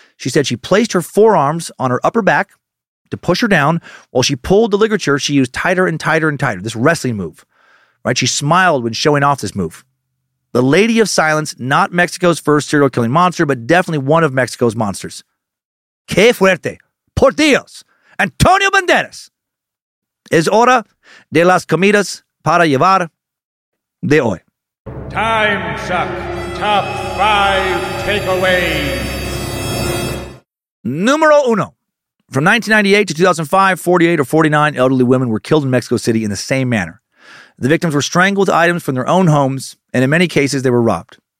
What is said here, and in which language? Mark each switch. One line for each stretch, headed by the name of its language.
English: She said she placed her forearms on her upper back to push her down while she pulled the ligature she used tighter and tighter and tighter, this wrestling move, right? She smiled when showing off this move. The Lady of Silence, not Mexico's first serial killing monster, but definitely one of Mexico's monsters.
Spanish: Que fuerte, por Dios, Antonio Banderas. Es hora de las comidas para llevar de hoy.
English: Time Suck, top five takeaways.
Spanish: Numero uno.
English: From 1998 to 2005, 48 or 49 elderly women were killed in Mexico City in the same manner. The victims were strangled with items from their own homes, and in many cases, they were robbed.